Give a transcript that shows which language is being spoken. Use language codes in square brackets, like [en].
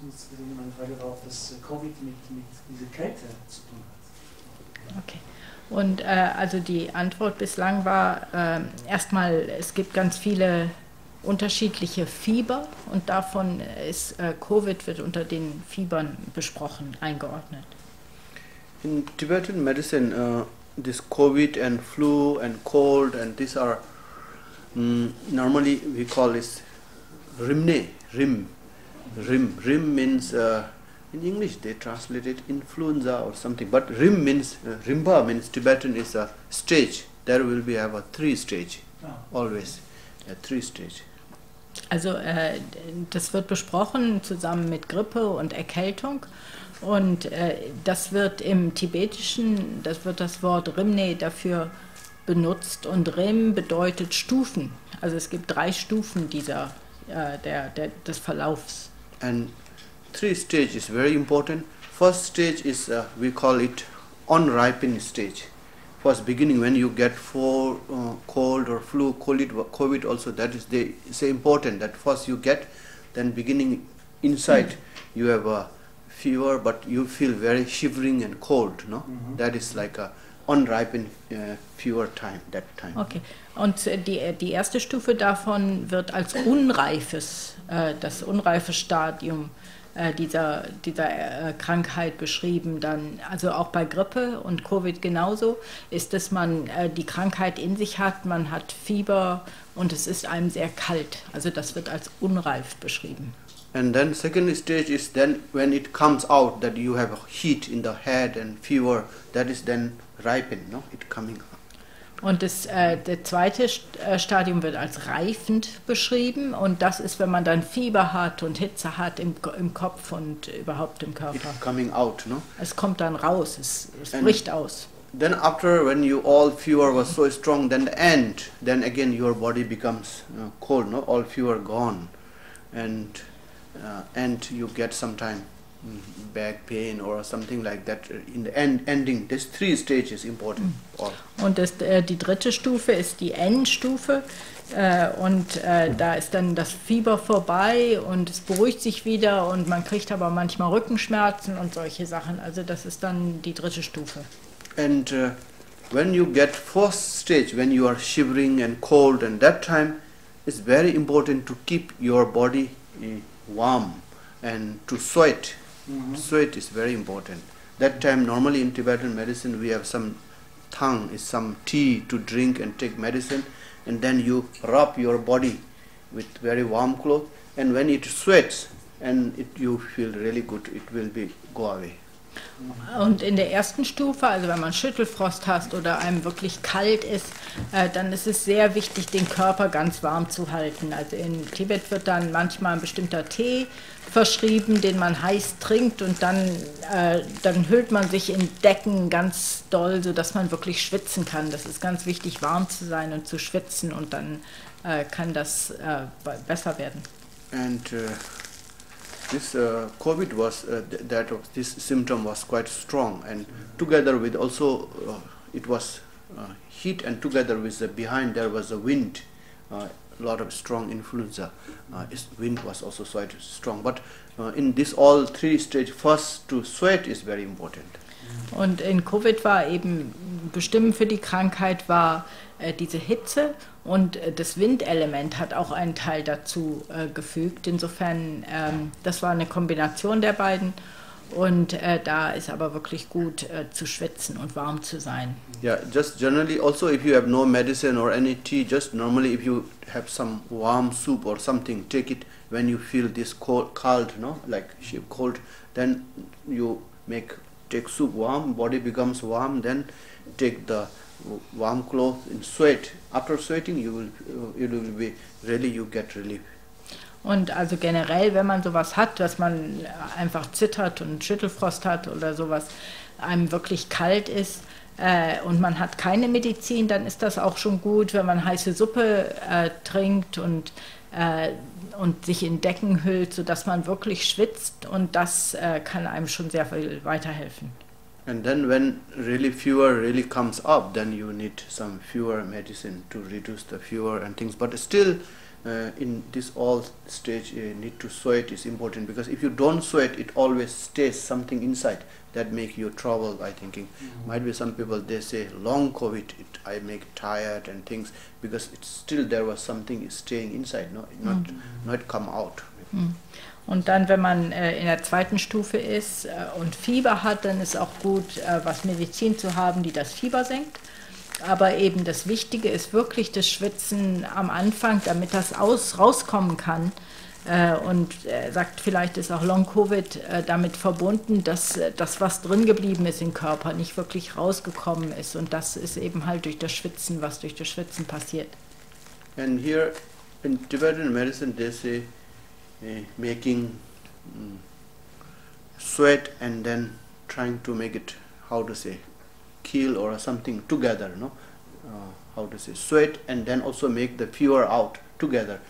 [de] Und meine Frage war, ob das Covid mit dieser Kälte zu tun hat. Okay. Und also die Antwort bislang war, erstmal, es gibt ganz viele unterschiedliche Fieber und davon ist Covid wird unter den Fiebern besprochen, eingeordnet. [en] In Tibetan Medicine, this Covid and flu and cold and these are normally we call this rimne, rim. Rim, rim means, in English they translate it influenza or something, but rim means, rimba means Tibetan is a stage. There will be have a three stage, always a three stage. [de] Also das wird besprochen zusammen mit Grippe und Erkältung und das wird im Tibetischen, das wird das Wort Rimne dafür benutzt und Rim bedeutet Stufen. Also es gibt drei Stufen dieser, des Verlaufs. [en] And three stages is very important. First stage is, we call it unripening stage. First beginning when you get cold or flu, COVID also, that is the say important that first you get, then beginning inside you have a fever but you feel very shivering and cold, no? Mm-hmm. That is like a unripened fever time, that time. [de] Okay, und die erste Stufe davon wird als unreifes, das unreife Stadium dieser Krankheit beschrieben, dann, also auch bei Grippe und Covid genauso, ist, dass man die Krankheit in sich hat, man hat Fieber und es ist einem sehr kalt. Also das wird als unreif beschrieben. [en] And then second stage is then when it comes out that you have heat in the head and fever, that is then ripened, no? It coming out. [de] Und das der zweite Stadium wird als reifend beschrieben und das ist, wenn man dann Fieber hat und Hitze hat im Kopf und überhaupt im Körper. [en] It's coming out, no? [de] Es kommt dann raus, es bricht aus. [en] Then after when you all fever was so strong, then the end, then again your body becomes cold, no? All fever gone and you get sometime back pain or something like that in the ending. These three stages important. [de] Und das, die dritte Stufe ist die Endstufe und da ist dann das Fieber vorbei und es beruhigt sich wieder und man kriegt aber manchmal Rückenschmerzen und solche Sachen. Also das ist dann die dritte Stufe. [en] And when you get first stage, when you are shivering and cold and that time, it's very important to keep your body warm and to sweat. Mm-hmm. Sweat is very important. That time normally in Tibetan medicine we have some thang, is some tea to drink and take medicine, and then you wrap your body with very warm cloth, and when it sweats and it you feel really good, it will be go away. [de] Und in der ersten Stufe, also wenn man Schüttelfrost hast oder einem wirklich kalt ist, dann ist es sehr wichtig, den Körper ganz warm zu halten. Also in Tibet wird dann manchmal ein bestimmter Tee verschrieben, den man heiß trinkt und dann hüllt man sich in Decken ganz doll, sodass man wirklich schwitzen kann. Das ist ganz wichtig, warm zu sein und zu schwitzen und dann kann das besser werden. [en] And, this COVID was that of this symptom was quite strong and together with also it was heat and together with the behind there was a wind, a lot of strong influenza. Wind was also quite strong, but in this all three stage first to sweat is very important. [de] Und in COVID war eben bestimmend für die Krankheit war diese Hitze und das Windelement hat auch einen Teil dazu gefügt. Insofern, das war eine Kombination der beiden und da ist aber wirklich gut zu schwitzen und warm zu sein. [en] Yeah, just generally also if you have no medicine or any tea, just normally if you have some warm soup or something, take it when you feel this cold, no? Like cold, then you take soup warm, body becomes warm, then take the warm cloth and sweat. After sweating, you will get relief. [de] Und also generell, wenn man sowas hat, dass man einfach zittert und Schüttelfrost hat oder sowas, einem wirklich kalt ist, und man hat keine Medizin, dann ist das auch schon gut, wenn man heiße Suppe trinkt und sich in Decken hüllt, sodass man wirklich schwitzt, und das kann einem schon sehr viel weiterhelfen. [en] And then when really fever really comes up, then you need some fever medicine to reduce the fever and things. But still, in this all stage, you need to sweat is important, because if you don't sweat, it always stays something inside that make you trouble, I thinking. Mm-hmm. Might be some people, they say long COVID, I make tired and things, because it's still there was something staying inside, not come out. Mm. [de] Und dann, wenn man in der zweiten Stufe ist und Fieber hat, dann ist auch gut, was Medizin zu haben, die das Fieber senkt. Aber eben das Wichtige ist wirklich das Schwitzen am Anfang, damit das rauskommen kann. Und sagt, vielleicht ist auch Long-Covid damit verbunden, dass das, was drin geblieben ist im Körper, nicht wirklich rausgekommen ist. Und das ist eben halt durch das Schwitzen, was durch das Schwitzen passiert. [en] And here in Tibetan medicine, they say, making sweat and then trying to make it, how to say, kill or something together, no? How to say, sweat and then also make the fever out together.